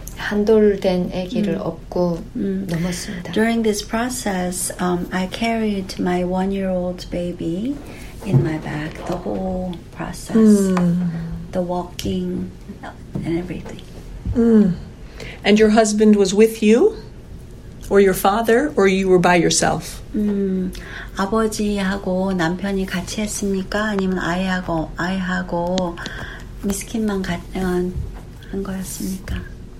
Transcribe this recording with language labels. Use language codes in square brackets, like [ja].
[ko] 한돌된 아기를 업고 넘었습니다. [en] During this process, I carried my one-year-old baby in my back the whole process, the walking and everything. And your husband was with you, or your father, or you were by yourself? [ko] 아버지하고 남편이 같이 했습니까? 아니면 아이하고 미스킨만 한 거였습니까?